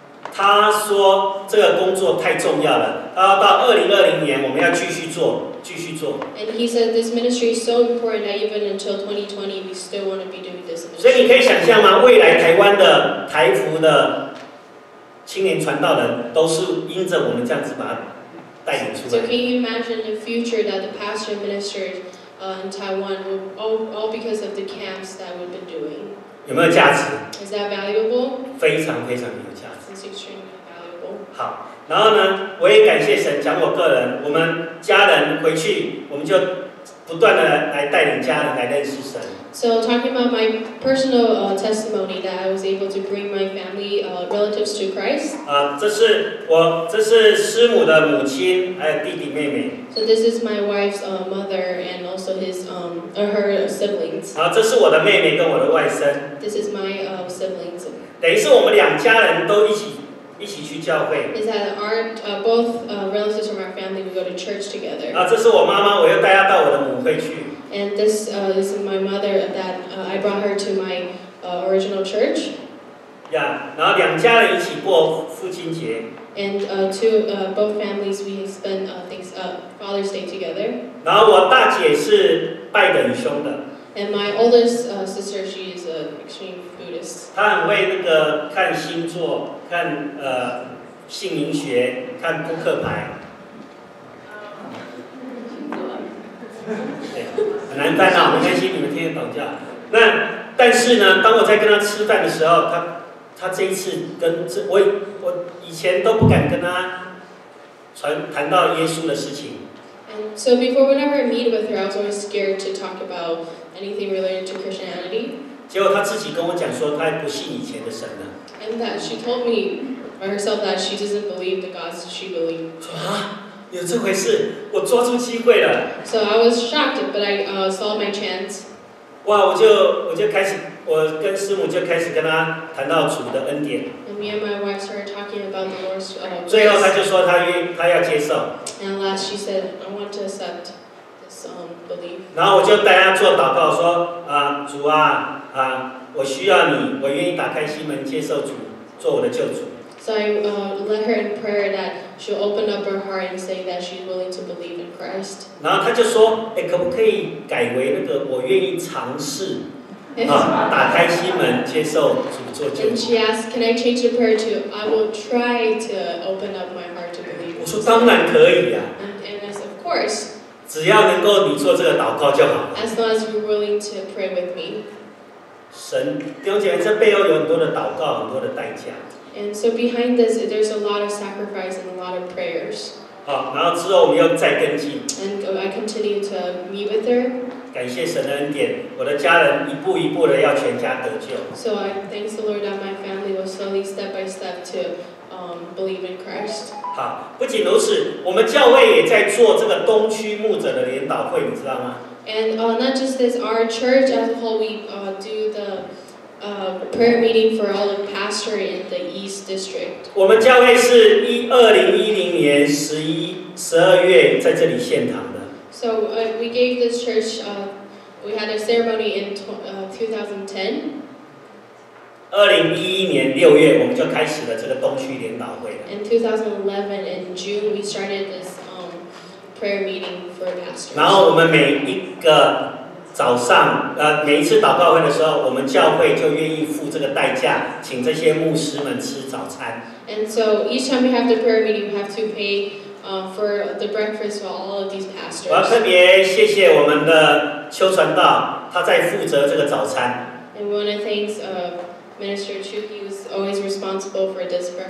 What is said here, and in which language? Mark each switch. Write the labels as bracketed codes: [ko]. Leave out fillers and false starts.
[zh] 他说这个工作太重要了，他到2020年我们要继续做，继续做。 [en] And he said this ministry is so important that even until 2020 we still want to be doing this ministry. [zh] 所以你可以想象吗？未来台湾的台呼的青年传道人都是因着我们这样子把他带领出来。 [en] So can you imagine the future that the pastor ministered in Taiwan will all because of the camps that we've been doing? [zh] 有没有价值 [en] ？Is that valuable? [zh] 非常非常有价值。 [en] It's extremely valuable. [zh] 好，然后呢，我也感谢神，讲我个人，我们家人回去，我们就不断的来带领家人来认识神。 [en] So talking about my personal testimony that I was able to bring my family relatives to Christ. [zh] 这是师母的母亲，还有弟弟妹妹。 [en] So this is my wife's mother and also his her siblings. [zh] 这是我的妹妹跟我的外甥。 [en] This is my siblings. [zh] 等于是我们两家人都一起去教会。 [en] Is that our both relatives from our family we go to church together? [zh] 这是我妈妈，我又带她到我的母会去。 [en] And this is my mother that I brought her to my original church. [zh] Yeah, 然后两家人一起过父亲节。 [en] And both families we spend Father's Day together. [zh] 然后我大姐是拜等兄的。 [en] And my oldest sister she is an extreme Buddhist. [zh] 她很会那个看星座，看姓名学，看扑克牌。难办啊，没关系，你们听得懂就好。那但是呢，当我在跟他吃饭的时候，他这一次跟这我以前都不敢跟他谈到耶稣的事情。 [en] And so before, whenever I meet with her, I was always scared to talk about anything related to Christianity. [zh] 结果她自己跟我讲说，她不信以前的神了。 [en] And that she told me by herself that she doesn't believe the gods she believed. [zh] 啊，有这回事？我抓住机会了。 [en] So I was shocked, but I saw my chance. [zh] 哇，我就开始，我跟师母就开始跟她谈到主的恩典。 [en] And me and my wife started talking about the Lord's grace. [zh] 最后她就说她要接受。 [en] And last, she said, "I want to accept this belief." [zh] 然后我就带她做祷告，说啊，主啊，啊，我需要你，我愿意打开心门接受主做我的救主。 [en] So I led her in prayer that she'll open up her heart and say that she's willing to believe in Christ. [zh] 然后她就说，哎，可不可以改为那个我愿意尝试。打开心门接受主做救主。 [en] And she asked, "Can I change the prayer to 'I will try to open up my heart to believe'?" [zh] 我说当然可以呀、啊。 [en] And I said, "Of course." [zh] 只要能够你做这个祷告就好。 [en] As long as you're willing to pray with me. [zh] 神，弟兄姐妹，这背后有很多的祷告，很多的代价。 [en] And so behind this, there's a lot of sacrifice and a lot of prayers. [zh] 好，然后之后我们又再跟进。 [en] And I continue to meet with her. [zh] 感谢神的恩典，我的家人一步一步的要全家得救。 [en] So I thank the Lord that my family will slowly step by step to believe in Christ. [zh] 好，不仅如此，我们教会也在做这个东区牧者的联祷会，你知道吗 [en] ？And not just this, our church as a whole, we do the prayer meeting for all the pastors in the East District. [zh] 我们教会是2010年12月在这里献堂的。 [en] So we gave this church, we had a ceremony in 2010. [zh] 2011年六月，我们就开始了这个东区联祷会。 [en] In 2011, in June, we started this prayer meeting for pastors. [zh] 然后我们每一个早上，每一次祷告会的时候，我们教会就愿意付这个代价，请这些牧师们吃早餐。 [en] And so each time we have the prayer meeting, we have to pay. For the breakfast for all of these pastors. [zh] 我要特别谢谢我们的邱传道，他在负责这个早餐。 [en] And we want to thank Minister Chu, he was always responsible for this breakfast.